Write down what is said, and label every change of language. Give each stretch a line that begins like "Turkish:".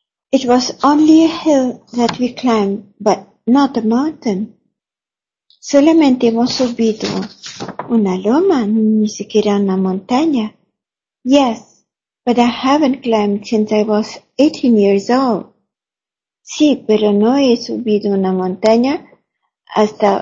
English: It was only a hill that we climbed, but not a mountain.
Spanish: Solamente hemos subido una loma, ni siquiera una montaña.
English: Yes, but I haven't climbed since I was 18 years old.
Spanish: Sí, pero no he subido una montaña hasta...